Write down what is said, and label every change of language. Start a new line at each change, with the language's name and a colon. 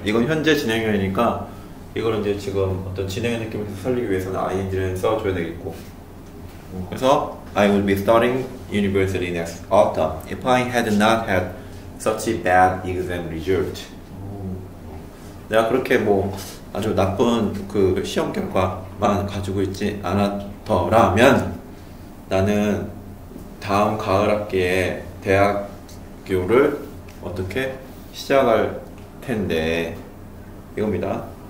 Korean: 이건 현재 진행형이니까 이걸 이제 지금 어떤 진행의 느낌에서 살리기 위해서는 ing를 써줘야 되겠고.
English: 그래서 I would be starting university next autumn if I had not had such a bad exam result.
Korean: 내가 그렇게 뭐 아주 나쁜 그 시험 결과만 가지고 있지 않았더라면 나는 다음 가을 학기에 대학교를 어떻게 시작할 텐데 이겁니다.